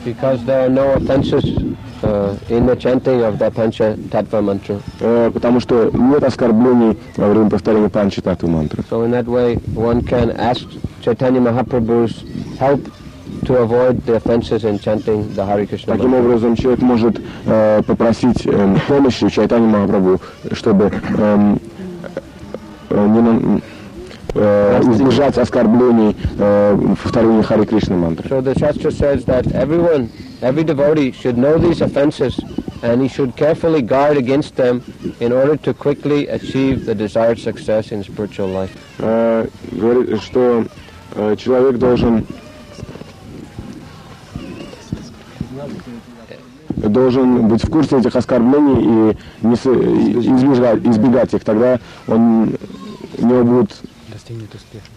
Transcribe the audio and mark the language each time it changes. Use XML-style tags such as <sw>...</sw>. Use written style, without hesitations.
<en>Because there are no offenses in the chanting of the Panchatattva Mantra.</en> <ru>Потому что нет оскорблений во время повторения Панчататву Мантры.</ru> <en>So in that way, one can ask Chaitanya Mahaprabhu's help to avoid the offenses in chanting the Hare Krishna.</en> <ru>Таким образом, человек может попросить помощи Чайтани Махапрабху, чтобы избежать оскорблений повторения Харе Кришна мантры.</ru> <en>So the Shastra says that every devotee should know these offenses and he should carefully guard against them in order to quickly achieve the desired success in spiritual life.</en> <ru>Говорит, что человек должен быть в курсе этих оскорблений и не избегать их, тогда он достигнет успеха.</ru>